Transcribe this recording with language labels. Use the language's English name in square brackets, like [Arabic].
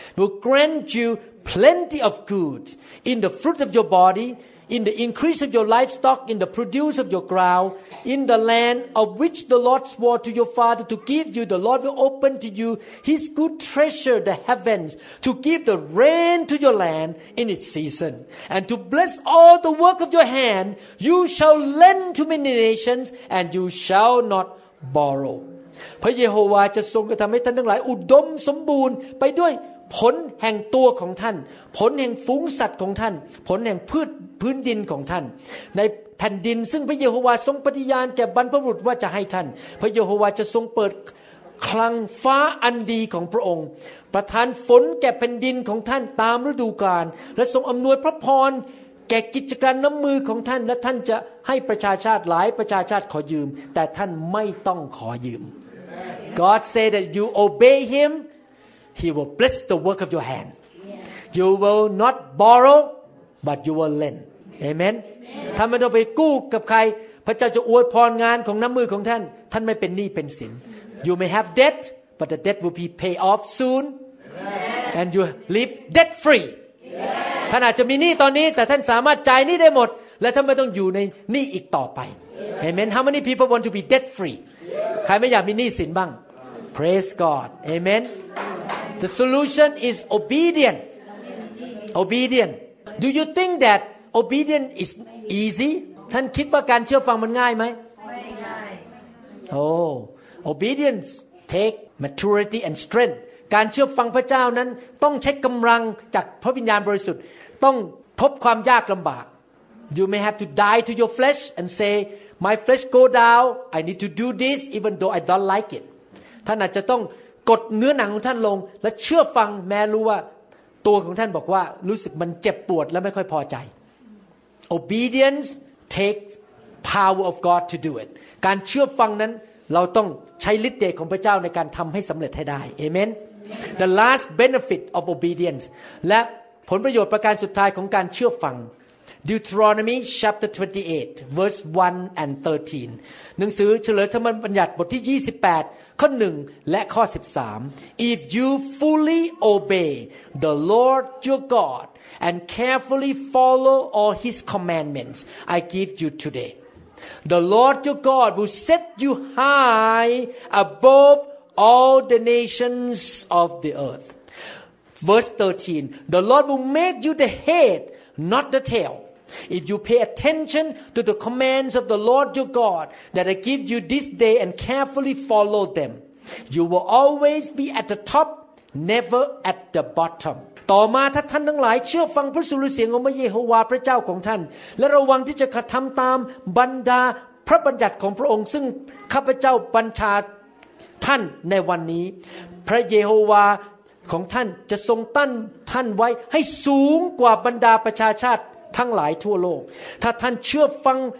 [English] Will grant you plenty of goods in the fruit of your bodyIn the increase of your livestock, in the produce of your ground, in the land of which the Lord swore to your father to give you, the Lord will open to you His good treasure, the heavens, to give the rain to your land in its season, and to bless all the work of your hand. You shall lend to many nations, and you shall not borrow. [Thai] พระเยโฮวาห์จะทรงกระทำให้ท่านทั้งหลายอุดมสมบูรณ์ไปด้วยผลแห่งตัวของท่านผลแห่งฝูงสัตว์ของท่านผลแห่งพืชพื้นดินของท่านในแผ่นดินซึ่งพระเยโฮวาห์ทรงปฏิญาณแก่บรรพบุรุษว่าจะให้ท่านพระเยโฮวาห์จะทรงเปิด คลังฟ้าอันดีของพระองค์ประทานฝนแก่แผ่นดินของท่านตามฤดูกาลและทรงอำนวยพระพรแก่กิจการน้ำมือของท่านและท่านจะให้ประชาชาติหลายประชาชาติขอยืมแต่ท่านไม่ต้องขอยืม [English] God say that you obey himHe will bless the work of your hand. Yeah. You will not borrow, but you will lend. Amen. [Thai] ถ้าไม่ต้องไปกู้กับใครพระเจ้าจะอวยพรงานของน้ำมือของท่านท่านไม่เป็นหนี้เป็นสิน [English] You may have debt, but the debt will be paid off soon. Yeah. And you live debt free. Yeah. [Thai] ท่านอาจจะมีหนี้ตอนนี้แต่ท่านสามารถจ่ายหนี้ได้หมดและท่านไม่ต้องอยู่ในหนี้อีกต่อไป yeah. [English] Amen. How many people want to be debt free? Yeah. [Thai] ใครไม่อยากมีหนี้สินบ้าง [English] Praise God. Amen. The solution is obedient. Obedient. Do you think that obedience is easy? [Thai] ท่านคิดว่าการเชื่อฟังมันง่ายไหม ไม่ง่าย [English] Oh, obedience take maturity and strength. [Thai] การเชื่อฟังพระเจ้านั้นต้องใช้กำลังจากพระวิญญาณบริสุทธิ์ต้องพบความยากลำบาก [English] You may have to die to your flesh and say, My flesh go down. I need to do this even though I don't like it. [Thai] ท่านอาจจะต้องกดเนื้อหนังของท่านลงและเชื่อฟังแม้รู้ว่าตัวของท่านบอกว่ารู้สึกมันเจ็บปวดและไม่ค่อยพอใจ [English] Obedience takes power of God to do it [Thai] การเชื่อฟังนั้นเราต้องใช้ฤทธิ์เดชของพระเจ้าในการทำให้สำเร็จให้ได้ Amen [English] The last benefit of obedience [Thai] และผลประโยชน์ประการสุดท้ายของการเชื่อฟัง [English] Deuteronomy chapter 28 verse 1 and 13 [Thai] หนังสือเฉลยธรรมบัญญัติบทที่28ข้อ1และข้อ13 [English] If you fully obey the Lord your God and carefully follow all his commandments I give you today The Lord your God will set you high above all the nations of the earth verse 13 The Lord will make you the head not the tailIf you pay attention to the commands of the Lord your God that I give you this day and carefully follow them, you will always be at the top, never at the bottom. [Thai] ต่อมาถ้าท่านทั้งหลายเชื่อฟังพระสุรเสียงของพระเยโฮวาห์พระเจ้าของท่านและระวังที่จะกระทำตามบรรดาพระบัญญัติของพระองค์ซึ่งข้าพเจ้าบัญชา ท่านในวันนี้พระเยโฮวาห์ของท่านจะทรงตั้นท่านไว้ให้สูงกว่าบรรดาประชาชาติทั้งหลายทั่วโลกถ้าท่านเชื่อฟัง